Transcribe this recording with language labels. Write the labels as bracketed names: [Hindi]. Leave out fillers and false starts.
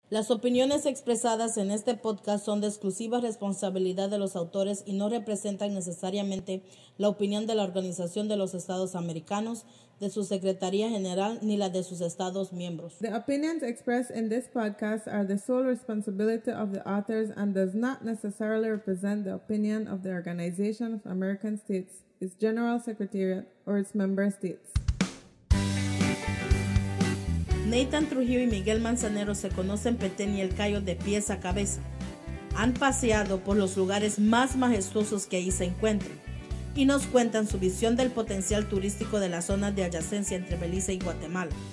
[Spanish] Las opiniones expresadas en este podcast son de exclusiva responsabilidad de los autores y no representan necesariamente la opinión de la Organización de los Estados Americanos, de su Secretaría General, ni la de sus Estados miembros. [English] The opinions expressed in this podcast are the sole responsibility of the authors and does not necessarily represent the opinion of the Organization of American States, its General Secretariat, or its member states. [Spanish] Nathan Trujillo y Miguel Manzanero se conocen Petén y El Cayo de pies a cabeza. Han paseado por los lugares más majestuosos que ahí se encuentran y nos cuentan su visión del potencial turístico de la zona de adyacencia entre Belice y Guatemala.